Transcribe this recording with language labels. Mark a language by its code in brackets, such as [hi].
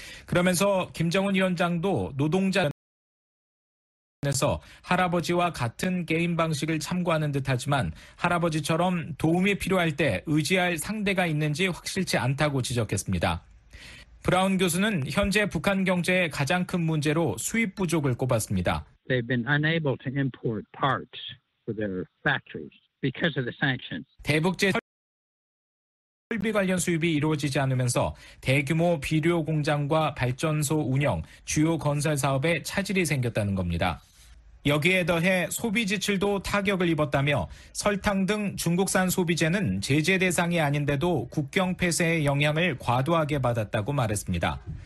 [ko] 그러면서 김정은 위원장도 노동자에서 할아버지와 같은 게임 방식을 참고하는 듯하지만 할아버지처럼 도움이 필요할 때 의지할 상대가 있는지 확실치 않다고 지적했습니다. 브라운 교수는 현재 북한 경제의 가장 큰 문제로 수입 부족을 꼽았습니다. [en] They've been unable to import parts for their factories because of the sanctions. [ko] 대북제 설비 관련 수입이 이루어지지 않으면서 대규모 비료 공장과 발전소 운영, 주요 건설 사업에 차질이 생겼다는 겁니다. 여기에 더해 소비 지출도 타격을 입었다며 설탕 등 중국산 소비재는 제재 대상이 아닌데도 국경 폐쇄의 영향을 과도하게 받았다고 말했습니다.